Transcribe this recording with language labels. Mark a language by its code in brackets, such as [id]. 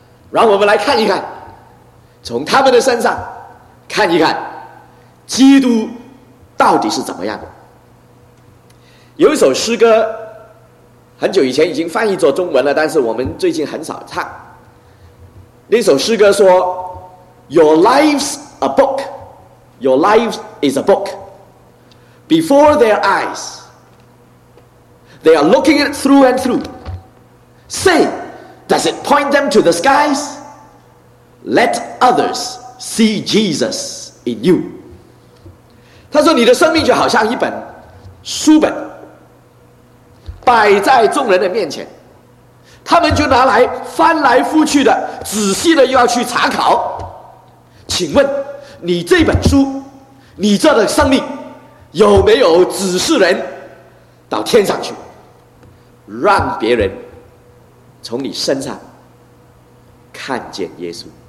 [zh] 让我们来看一看，从他们的身上看一看基督到底是怎么样的。有一首诗歌很久以前已经翻译做中文了，但是我们最近很少唱。那首诗歌说， [en] Your life's a book, Your life is a book. Before their eyes, they are looking it through and through. Say, does it point them to the skies? Let others see Jesus in you. [zh] 他说你的生命就好像一本书本，摆在众人的面前，他们就拿来翻来覆去的，仔细的又要去查考。请问你这本书，你这的生命有没有指示人到天上去，让别人从你身上看见耶稣？